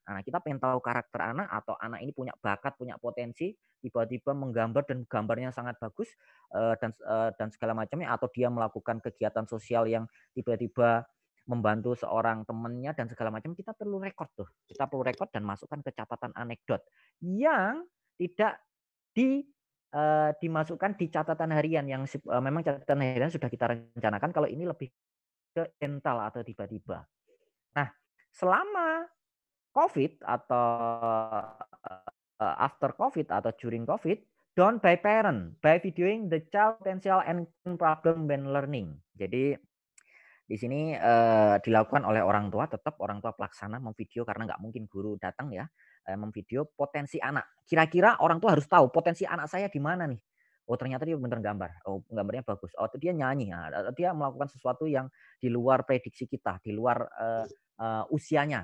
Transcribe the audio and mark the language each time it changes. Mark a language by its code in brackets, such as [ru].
[id] Nah, kita pengen tahu karakter anak atau anak ini punya bakat, punya potensi, tiba-tiba menggambar dan gambarnya sangat bagus dan segala macamnya, atau dia melakukan kegiatan sosial yang tiba-tiba membantu seorang temannya dan segala macam, kita perlu rekod tuh. Kita perlu rekod dan masukkan ke catatan anekdot yang tidak dimasukkan di catatan harian yang memang catatan harian sudah kita rencanakan. Kalau ini lebih ke mental atau tiba-tiba. Nah, selama COVID atau [en] after COVID atau during COVID, done by parent, by videoing the child potential and problem when learning. [id] Jadi, di sini dilakukan oleh orang tua, tetap orang tua pelaksana memvideo karena nggak mungkin guru datang ya, memvideo potensi anak. Kira-kira orang tua harus tahu potensi anak saya di mana nih. Oh, ternyata dia bener gambar. Oh, gambarnya bagus. Oh, dia nyanyi. Nah, dia melakukan sesuatu yang di luar prediksi kita, di luar usianya.